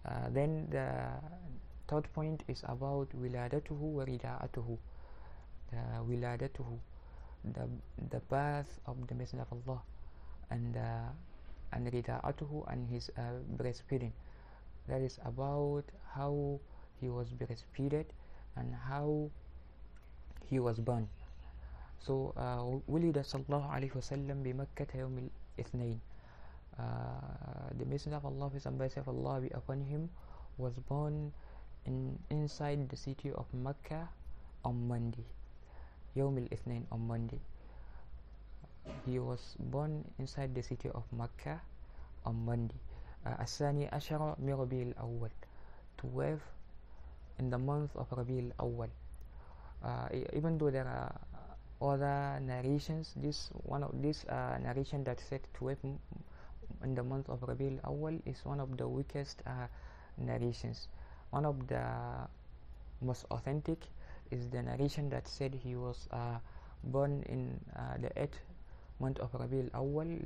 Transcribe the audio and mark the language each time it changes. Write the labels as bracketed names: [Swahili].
[English] Then the third point is about wiladatuhu wa rida'atuhu, wiladatuhu, the birth of the Messenger of Allah, and rida'atuhu, and his breastfeeding. That is about how he was breastfeeded and how he was born. [Arabic] So ولد صلى الله عليه وسلم بمكة يوم الاثنين. [English] The Messenger of Allah, peace and blessings of Allah be upon him, was born inside the city of Mecca on Monday. [Arabic] يوم الاثنين, [English] on Monday. He was born inside the city of Mecca on Monday. [Arabic] الثاني عشر من ربيع الأول, [English] 12 in the month of [Arabic] ربيع الأول. [English] Even though there are other narrations, this narration that said 12 in the month of ربيع الأول is one of the weakest narrations. One of the most authentic is the narration that said he was born in the 8th month of Rabi al-Awwal.